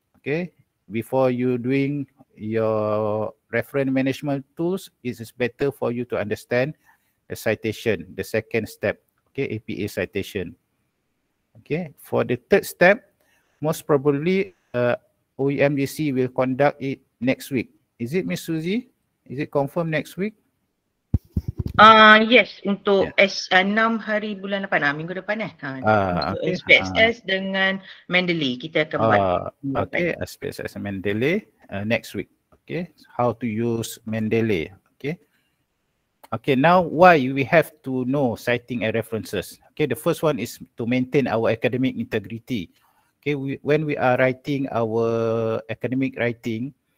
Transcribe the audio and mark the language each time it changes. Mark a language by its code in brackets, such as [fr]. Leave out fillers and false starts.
[en] Okay, before you doing your reference management tools, it is better for you to understand the citation, the second step, okay, APA citation. Okay, for the third step, most probably, OUMGC will conduct it next week. Is it, Miss Susie? Is it confirmed next week? [ms] Yes, untuk S6 hari bulan depan, minggu depan eh. Untuk SPSS dengan Mendeley, kita akan buat. [en] Okay, SPSS Mendeley next week. Okay, how to use Mendeley. Okay. Okay, now why we have to know citing and references. Okay, the first one is to maintain our academic integrity. Okay, when we are writing our academic writing,